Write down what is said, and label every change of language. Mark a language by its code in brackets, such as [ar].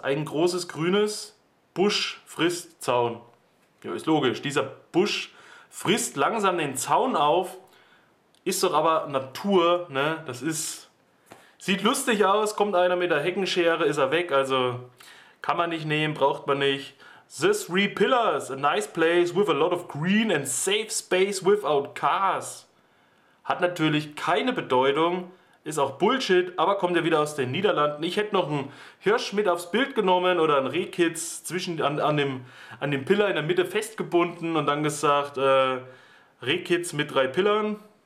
[de] Ein großes grünes Busch frisst Zaun. Ja, ist logisch. Dieser Busch frisst langsam den Zaun auf. Ist doch aber Natur, ne? Das ist... Sieht lustig aus. Kommt einer mit der Heckenschere, ist er weg. Also kann man nicht nehmen, braucht man nicht. [en] The Three Pillars. A nice place with a lot of green and safe space without cars. [de] Hat natürlich keine Bedeutung. Ist auch Bullshit, aber kommt ja wieder aus den Niederlanden. Ich hätte noch einen Hirsch mit aufs Bild genommen oder einen Rehkitz zwischen an dem Pillar in der Mitte festgebunden und dann gesagt, Rehkitz mit 3 Pillern.